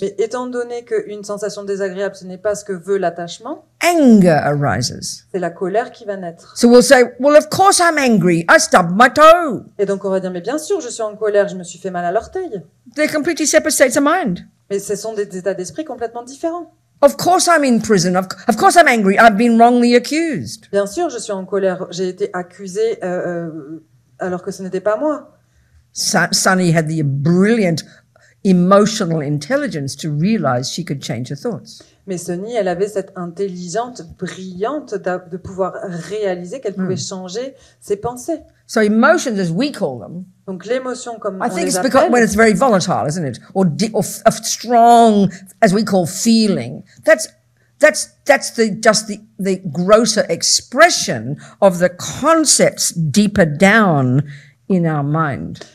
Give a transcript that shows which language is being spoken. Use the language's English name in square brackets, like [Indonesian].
[French] Mais étant donné que une sensation désagréable, ce n'est pas ce que veut l'attachement. [English] Anger arises. [French] C'est la colère qui va naître. [English] So we'll say, well, of course I'm angry. I stubbed my toe. [French] Et donc on va dire, mais bien sûr, je suis en colère, je me suis fait mal à l'orteil. [English] They're completely separate states of mind. [French] Mais ce sont des états d'esprit complètement différents. [English] Of course I'm in prison. Of course I'm angry. I've been wrongly accused. [French] Bien sûr, je suis en colère. J'ai été accusé alors que ce n'était pas moi. [English] Sunny had the brilliant emotional intelligence to realize she could change her thoughts. [French] Mais Sunny, elle avait cette intelligente, brillante de pouvoir réaliser qu'elle pouvait changer ses pensées. [English] So emotions, as we call them, [French] donc l'émotion comme [English] I [French] on [English] think [French] les [English] it's [French] appelle, [English] because when it's very volatile, isn't it, or a strong, as we call feeling, that's the just the grosser expression of the concepts deeper down in our mind.